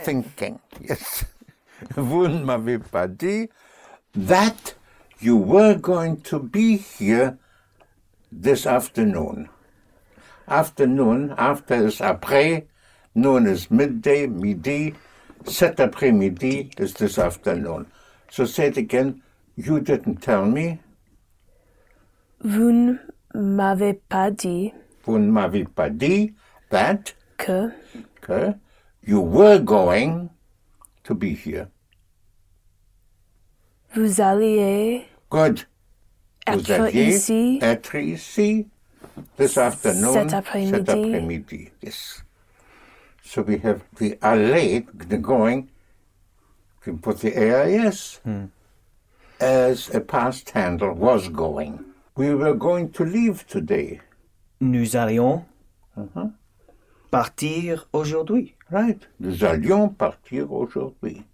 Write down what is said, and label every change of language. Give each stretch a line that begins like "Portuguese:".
English: Thinking. Yes.
French: Vous ne m'avez pas dit
English: that you were going to be here this afternoon. Afternoon, after is après. Noon is midday, midi, cet après-midi is this afternoon. So say it again, you didn't tell me.
French: Vous ne m'avez pas dit. Vous ne m'avez pas dit that. Que. Que.
English: You were going to be here.
French: Vous alliez.
English: Good.
French: Vous alliez ici. Être ici.
English: This afternoon.
French: Cet après-midi. Cet après-midi, yes.
English: So we have the aller, the going, we put the AIS as a past handle, was going. We were going to leave today.
French: Nous allions partir aujourd'hui.
English: Right.
French: Nous allions partir aujourd'hui.